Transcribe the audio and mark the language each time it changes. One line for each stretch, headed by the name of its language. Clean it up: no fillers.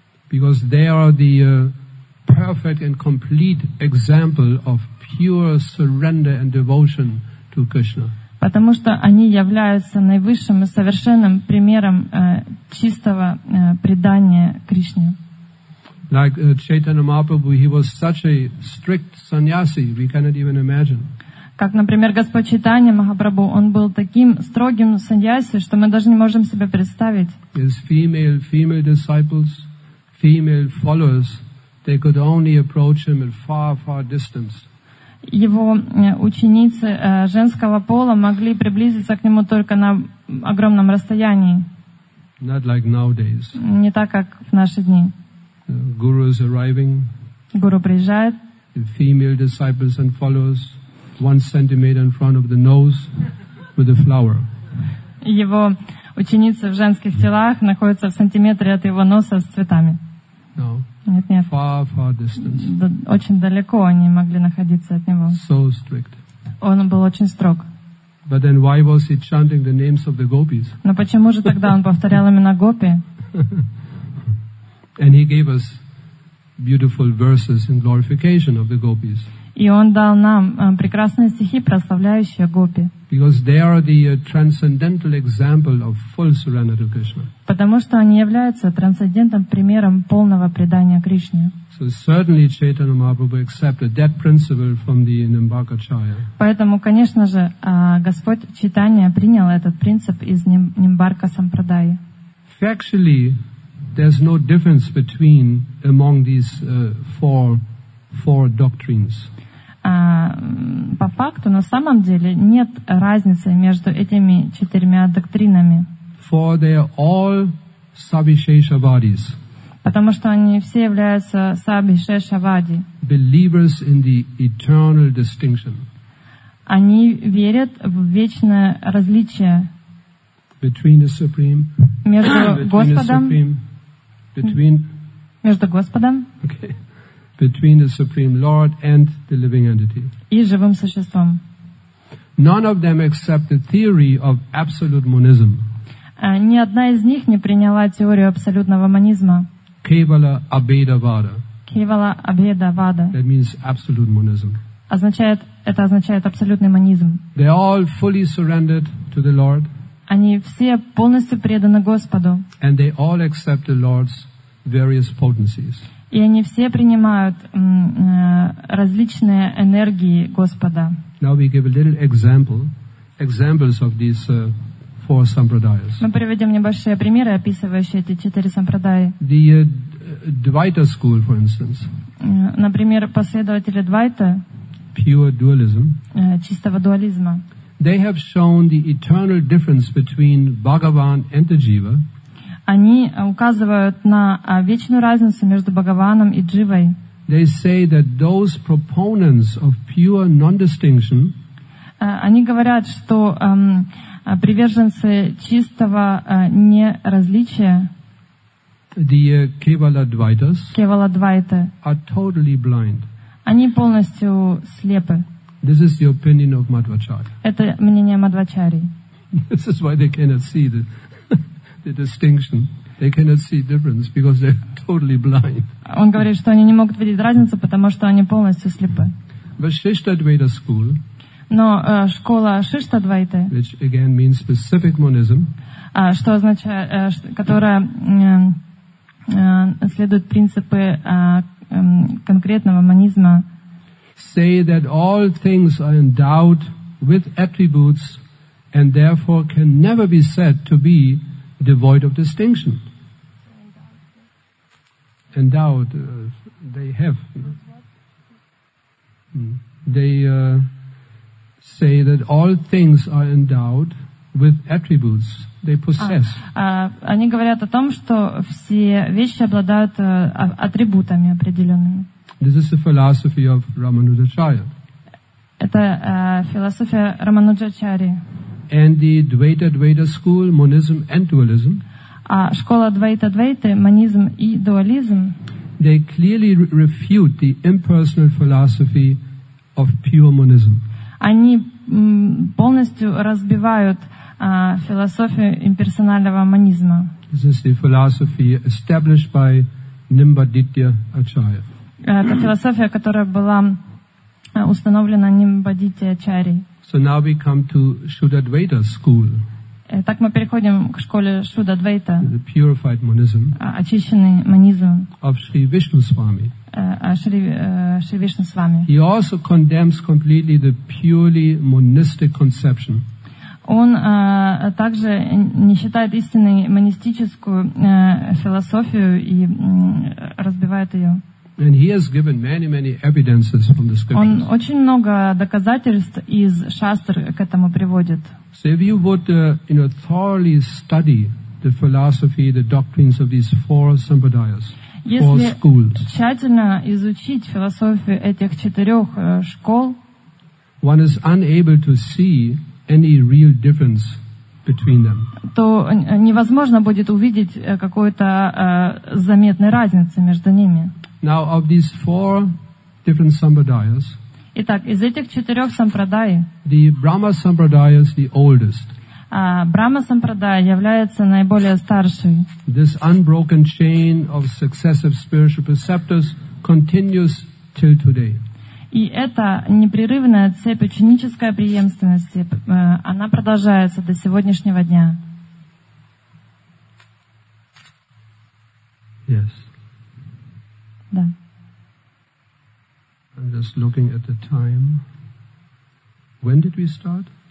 English: Because they are the perfect and complete example of pure surrender and devotion to Krishna.
Russian: Потому что они являются наивысшим и совершенным примером чистого предания Кришне.
English: Like Chaitanya Mahaprabhu, he was such a strict sannyasi, we cannot even imagine.
Russian: Как, например, Господь Чайтанья Махапрабху, он был таким строгим саньяси, что мы даже не можем себе представить.
English: His female disciples, female followers, they could only approach him at far, far distance.
Russian: Его ученицы женского пола могли приблизиться к нему только на огромном расстоянии.
English: Not like nowadays.
Russian: Не так, как в наши дни.
English: Guru is arriving.
Russian: Guru приезжает.
English: Female disciples and followers, 1 centimeter in front of the nose with a flower.
Russian: Его ученицы в женских телах находятся в сантиметре от его носа с цветами.
English: No.
Russian: Нет, нет.
English: Far, far distance.
Russian: Очень далеко они могли находиться от него.
English: So strict.
Russian: Он был очень строг.
English: But then why was he chanting the names of the gopis?
Russian: Но почему же тогда он повторял имена гопи?
English: And he gave us beautiful verses in glorification of the gopis.
Russian: И он дал нам прекрасные стихи, прославляющие гопи.
English: Because they are the transcendental example of full surrender to Krishna.
Russian: Потому что они являются трансцендентным примером полного предания Кришне.
English: So certainly Chaitanya Mahaprabhu accepted that principle from the Nimbarkacharya.
Russian: Поэтому, конечно же, Господь Чайтанья принял этот принцип из Нимбарка Сампрадайи.
English: Factually, there's no difference between among these four doctrines.
Russian: По факту, на самом деле, нет разницы между этими четырьмя доктринами.
English: For they are all savishesha vadis.
Russian: Потому что они все являются savishesha vadi.
English: Believers in the eternal distinction.
Russian: Они верят в вечное различие.
English: Between the supreme.
Russian: Между Господом. Между Господом.
English: Between the Supreme Lord and the living entity.
Russian: И живым существом.
English: None of them accept the theory of absolute monism.
Russian: Ни одна из них не приняла теорию абсолютного монизма.
English: Kevala Abhedavada.
Russian: Kevala Abhedavada.
English: That means absolute monism.
Russian: Это означает абсолютный монизм.
English: They all fully surrendered to the Lord.
Russian: Они все полностью преданы Господу.
English: And they all accept the Lord's various potencies.
Russian: И они все принимают различные энергии Господа.
English: Now we give a little examples of these four sampradayas.
Russian: Мы приведем небольшие примеры, описывающие эти четыре сампрадаи.
English: The Dvaita school, for instance.
Russian: Например, последователи Двайта.
English: Pure dualism.
Russian: Чистого дуализма.
English: They have shown the eternal difference between Bhagavan and the Jiva.
Russian: Они указывают на вечную разницу между Бхагаваном и Дживой.
English: They say that those proponents of pure non-distinction,
Russian: они говорят, что приверженцы чистого неразличия,
English: the Kevala-dvaitas,
Russian: Kevala-dvaita,
English: are totally blind.
Russian: Они полностью слепы.
English: This is the opinion of Madhvacharya.
Russian: Это мнение Мадхвачарьи.
English: This is why they cannot see the distinction. They cannot see difference because they're totally blind.
Russian: Он говорит, что они не могут видеть разницу, потому что они полностью слепы.
English: Vashishtadvaita school.
Russian: Но школа Шиштадвайты.
English: Which again means specific monism.
Russian: Что означает, которая следует принципы конкретного монизма.
English: Say that all things are endowed with attributes and therefore can never be said to be devoid of distinction. Endowed, they have. They say that all things are endowed with attributes they possess.
Russian: Они говорят о том, что все вещи обладают атрибутами определенными.
English: This is the philosophy of Ramanujacharya.
Russian: Это философия Рамануджачари.
English: And the Dvaita-Dvaita school, monism and dualism.
Russian: Школа Двайта-Двайты, монизм и дуализм.
English: They clearly refute the impersonal philosophy of pure monism.
Russian: Они полностью разбивают философию имперсонального монизма.
English: This is the philosophy established by Nimbaditya Acharya.
Russian: Это философия, которая была установлена Нимбадитья Ачарьей.
English: So now we come to Shuddhadvaita school.
Russian: Так мы переходим к школе Шуддхадвайта.
English: The purified monism.
Russian: Очищенный монизм.
English: Of Sri Vishnu Swami.
Russian: Шри Вишну Свами.
English: He also condemns completely the purely monistic conception.
Russian: Он также не считает истинной монистическую философию и разбивает ее.
English: And he has given many, many evidences from the scriptures.
Russian: Он очень много доказательств из шастр к этому приводит.
English: So if you would, you know, thoroughly study the philosophy, the doctrines of these four sampradayas, four schools.
Russian: Если тщательно изучить философию этих четырех школ,
English: one is unable to see any real difference between them.
Russian: То невозможно будет увидеть какой-то заметной разницы между ними.
English: Now, of these four different sampradayas,
Russian: итак, из этих четырех сампрадай,
English: the Brahma sampradaya is the oldest.
Russian: Brahma sampradaya является наиболее старшим.
English: This unbroken chain of successive spiritual preceptors continues till today.
Russian: И эта непрерывная цепь ученической преемственности, она продолжается до сегодняшнего дня.
English: Yes.
Russian: Да.
English: I'm just looking at the time. When did we start?